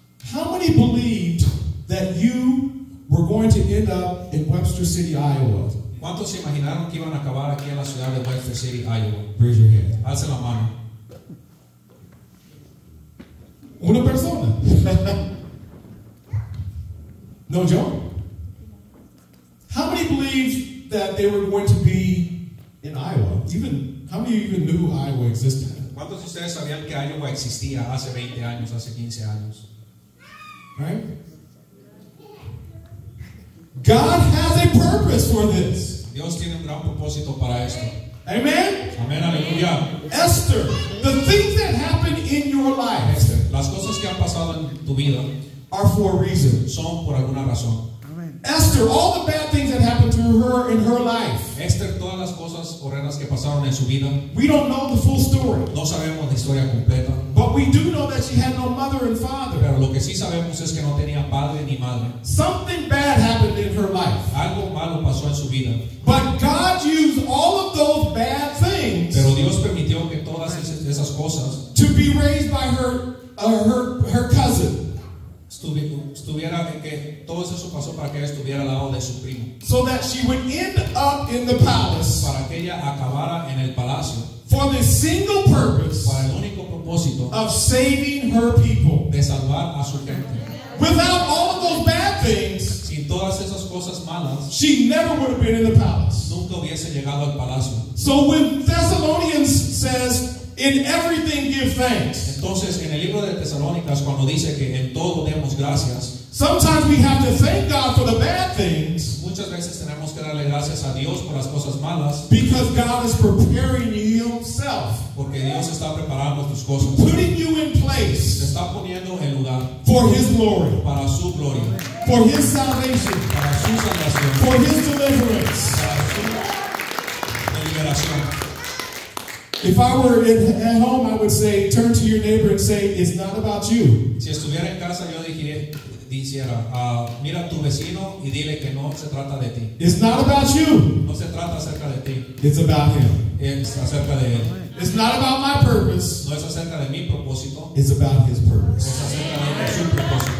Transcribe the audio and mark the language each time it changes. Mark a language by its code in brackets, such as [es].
[en] How many believed that you were going to end up in Webster City, Iowa? [es] ¿Cuántos se imaginaron que iban a acabar aquí en la ciudad de Webster City, Iowa? [en] Raise your hand. [es] Alce la mano. Una persona. [en] No joke. How many believed that they were going to be in Iowa? Even how many even knew Iowa existed? [es] ¿Cuántos de ustedes sabían que Iowa existía hace 20 años, hace 15 años? [en] God has a purpose for this. [es] Dios tiene un gran propósito para esto. [en] Amen. [es] Amen. Aleluya. [en] Esther, the things that happen in your life. [es] Esther, las cosas que han pasado en tu vida. [en] Are for a reason. [es] Son por alguna razón. [en] Amen. Esther, all the bad things that happened to her in her life. [es] Esther, todas las cosas horrendas que pasaron en su vida. [en] We don't know the full story. [es] No sabemos la historia completa. [en] But we do know that she had no mother and father. [es] Pero lo que sí sabemos es que no tenía padre ni madre. [en] Something bad happened in her life. [es] Algo malo pasó en su vida. [en] But God used all of those bad things. [es] Pero Dios permitió que todas esas cosas. [en] To be raised by her cousin. [es] Estuviera que todo eso pasó para que ella estuviera al lado de su primo. [en] So that she would end up in the palace. [es] Para que ella acabara en el palacio. [en] For the single purpose. [es] Para el único propósito. [en] Of saving her people. [es] De salvar a su gente. [en] Without all of those bad things. [es] Sin todas esas cosas malas. [en] She never would have been in the palace. [es] Nunca hubiese llegado al palacio. [en] So when Thessalonians says. In everything give thanks. [es] Entonces, en el libro de Tesalónicas, cuando dice que en todo demos gracias. [en] Sometimes we have to thank God for the bad things. [es] Muchas veces tenemos que darle gracias a Dios por las cosas malas. [en] Because God is preparing you himself. [es] Porque Dios está preparando tus cosas. [en] Putting you in place. [es] Te está poniendo en lugar. [en] For his glory. [es] Para su gloria. [en] For his salvation. [es] Para su salvación. [en] For his deliverance. [es] Para su liberación. [en] If I were at home, I would say, turn to your neighbor and say, it's not about you. [es] Si estuviera en casa, yo dijera, mira tu vecino y dile que no se trata de ti. [en] It's not about you. [es] No se trata acerca de ti. [en] It's about him. [es] Es acerca de él. [en] It's not about my purpose. [es] No es acerca de mi propósito. [en] It's about his purpose. [es] Es acerca de su propósito.